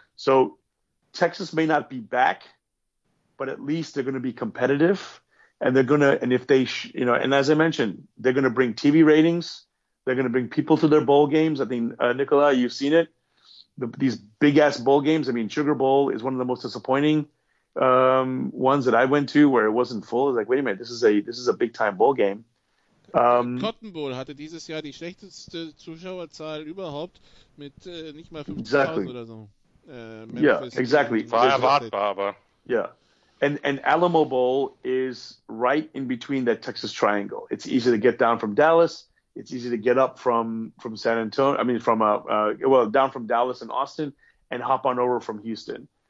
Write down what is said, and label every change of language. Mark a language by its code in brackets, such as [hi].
[en] So Texas may not be back, but at least they're going to be competitive, and they're going to, and if they, and as I mentioned, they're going to bring TV ratings. They're going to bring people to their bowl games. I think, Nicola, you've seen it. These big ass bowl games. I mean, Sugar Bowl is one of the most disappointing ones that I went to, where it wasn't full. It's like, wait a minute, this is a big time bowl game. [de] Cotton Bowl hatte dieses Jahr die schlechteste Zuschauerzahl überhaupt mit nicht mal 50,000 [en] exactly. [de] oder so. [en] Yeah, exactly. [de] War erwartbar, aber. [en] Yeah. And Alamo Bowl is right in between that Texas triangle. It's easy to get down from Dallas. It's easy to get up from San Antonio. I mean, down from Dallas and Austin, and hop on over from Houston.